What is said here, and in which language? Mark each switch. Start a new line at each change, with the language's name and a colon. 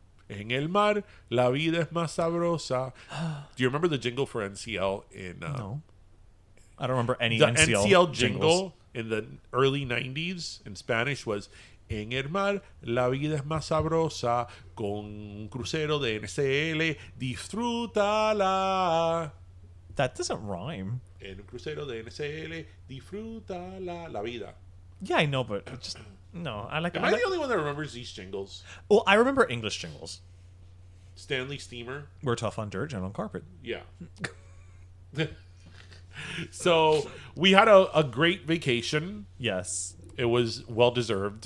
Spanish: En el mar, la vida es más sabrosa.
English: Do you remember the jingle for NCL in... No. I don't remember any NCL jingles. The NCL jingle in the early 90s in Spanish was,
Spanish: en el mar, la vida es más sabrosa, con un crucero de NCL, disfrútala.
English: That doesn't rhyme.
Spanish: En un crucero de NCL, disfrútala, la vida.
English: Yeah, I know, but just... No, I like... Am I the only one that remembers these jingles? Well, I remember English jingles. Stanley Steamer. We're tough on dirt and on carpet. Yeah. So, we had a great vacation. Yes. It was well-deserved.